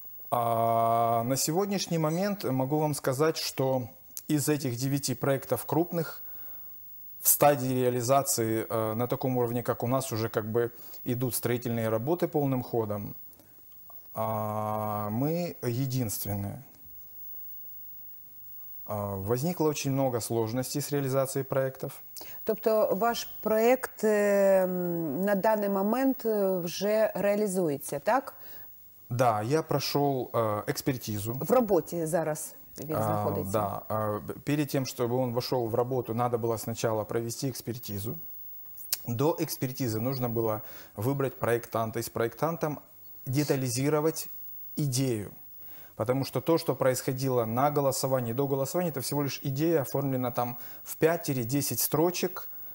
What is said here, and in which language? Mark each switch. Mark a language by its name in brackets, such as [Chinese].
[Russian] На сегодняшний момент могу вам сказать, что из этих 9 проектов крупных в стадии реализации на таком уровне, как у нас, уже как бы идут строительные работы полным ходом. Мы единственные. Возникло очень много сложностей с реализацией проектов. [Ukrainian] Тобто ваш проект на даний момент вже реалізується, так? [Russian] Да, я прошел экспертизу. В работе [Ukrainian] зараз він знаходиться. [Russian] Да, перед тем, чтобы он вошел в работу, надо было сначала провести экспертизу. До экспертизы нужно было выбрать проектанта и с проектантом детализировать идею. Потому что то, что происходило на голосовании, до голосования, это всего лишь идея, оформлена там в 5-10 строчек.